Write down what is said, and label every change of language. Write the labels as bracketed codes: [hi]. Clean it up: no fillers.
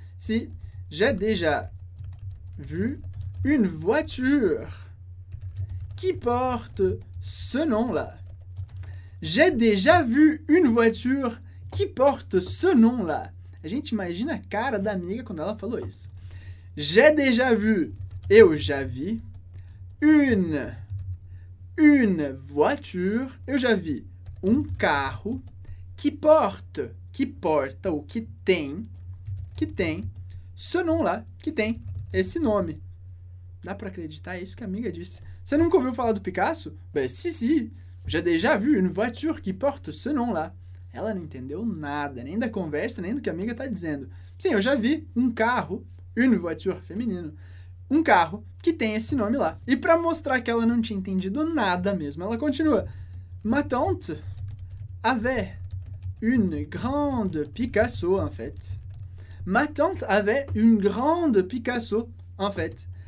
[fr] Si, j'ai déjà vu une voiture qui porte ce nom-là. J'ai déjà vu une voiture qui porte ce nom-là. [pt] A gente imagina a cara da amiga quando ela falou isso. [fr] J'ai déjà vu, [pt] eu já vi, [fr] une voiture, [pt] eu já vi um carro que porta ou que tem [fr] ce nom-là, [pt] que tem esse nome. Dá pra acreditar? É isso que a amiga disse. Você nunca ouviu falar do Picasso? [fr] Ben, si, j'ai déjà vu une voiture qui porte ce nom-là. [pt] Ela não entendeu nada, nem da conversa, nem do que a amiga tá dizendo. Sim, eu já vi um carro, [fr] une voiture, [pt] feminino, um carro que tem esse nome lá. E pra mostrar que ela não tinha entendido nada mesmo, ela continua. [fr] Ma tante avait une grande Picasso, en fait. Ma tante avait une grande Picasso, en fait.